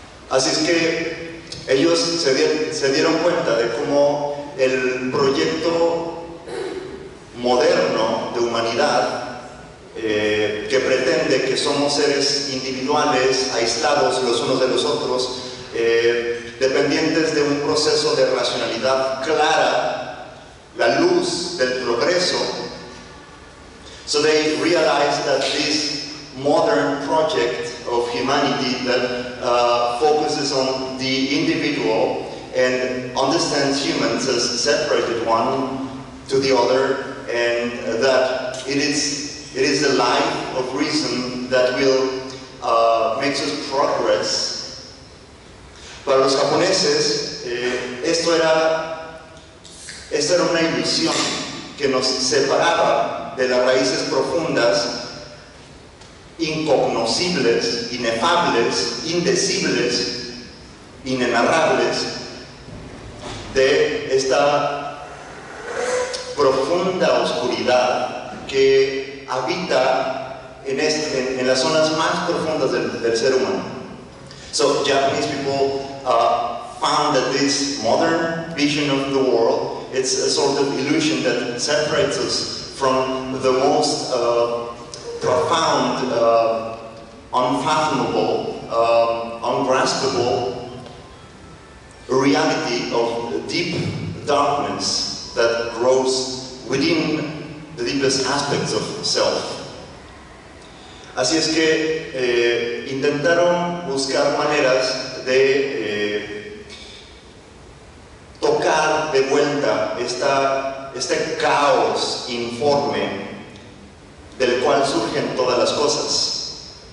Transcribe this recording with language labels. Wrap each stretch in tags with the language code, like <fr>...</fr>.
<es>Así es que ellos se dieron cuenta de cómo el proyecto moderno de humanidad, que pretende que somos seres individuales, aislados los unos de los otros, dependientes de un proceso de racionalidad clara, la luz del progreso.</es> <en>So they realized that this modern project of humanity that focuses on the individual and understands humans as separated one to the other, and that it is the life of reason that will make us progress.</en> <es>Para los japoneses, esto era una ilusión que nos separaba de las raíces profundas, incognoscibles, inefables, indecibles, inenarrables, de esta profunda oscuridad que habita en las zonas más profundas del ser humano.</es> <en>So Japanese people found that this modern vision of the world, it's a sort of illusion that separates us from the most profound, unfathomable, ungraspable reality of deep darkness that grows within the deepest aspects of self.</en> <es>Así es que intentaron buscar maneras de tocar de vuelta este caos informe del cual surgen todas las cosas.</es>